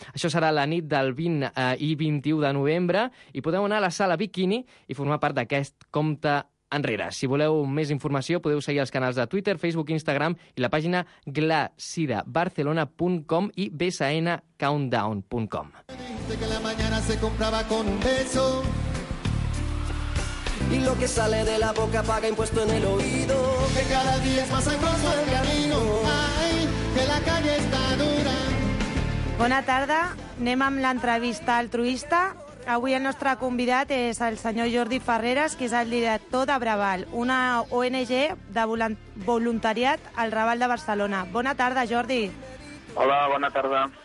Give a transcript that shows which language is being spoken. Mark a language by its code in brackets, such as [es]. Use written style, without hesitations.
[ca] Això serà la nit del 20 i 21 de novembre i podeu anar a la sala Bikini i formar part d'aquest compte enrere. Si voleu més informació, podeu seguir els canals de Twitter, Facebook, Instagram i la pàgina glasidabarcelona.com i bsncountdown.com. [es] Que la mañana se compraba con un beso y lo que sale de la boca paga impuesto en el oído. Que cada día es más angosto el camino. Ay, que la calle está dura. [ca] Bona tarda, anem amb l'entrevista altruista. Avui el nostre convidat és el senyor Jordi Ferreres, que és el director de Braval, una ONG de voluntariat al Raval de Barcelona. Bona tarda, Jordi. Hola, bona tarda.